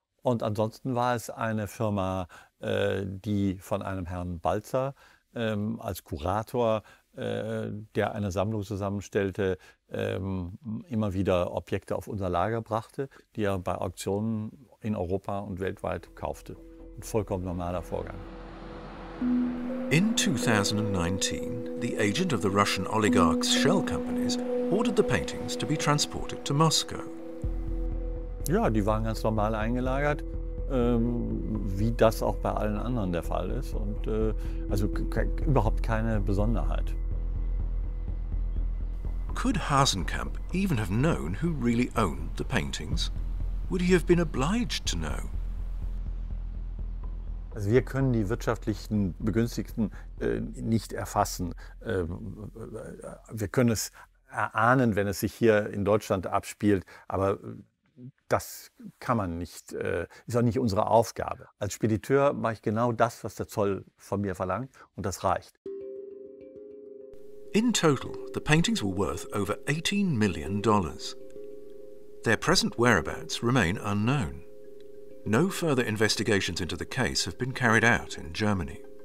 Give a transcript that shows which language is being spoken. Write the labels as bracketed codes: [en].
[de] Und ansonsten war es eine Firma, die von einem Herrn Balzer als Kurator, der eine Sammlung zusammenstellte, immer wieder Objekte auf unser Lager brachte, die er bei Auktionen in Europa und weltweit kaufte. Ein vollkommen normaler Vorgang. [en] In 2019, the agent of the Russian oligarchs shell companies ordered the paintings to be transported to Moscow. [de] Ja, die waren ganz normal eingelagert, wie das auch bei allen anderen der Fall ist. Und also überhaupt keine Besonderheit. [en] Could Hasenkamp even have known who really owned the paintings? Would he have been obliged to know? [de] Also wir können die wirtschaftlichen Begünstigten nicht erfassen. Wir können es erahnen, wenn es sich hier in Deutschland abspielt, aber das kann man nicht, ist auch nicht unsere Aufgabe. Als Spediteur mache ich genau das, was der Zoll von mir verlangt, und das reicht. [en] In total, the paintings were worth over $18 million. Their present whereabouts remain unknown. No further investigations into the case have been carried out in Germany.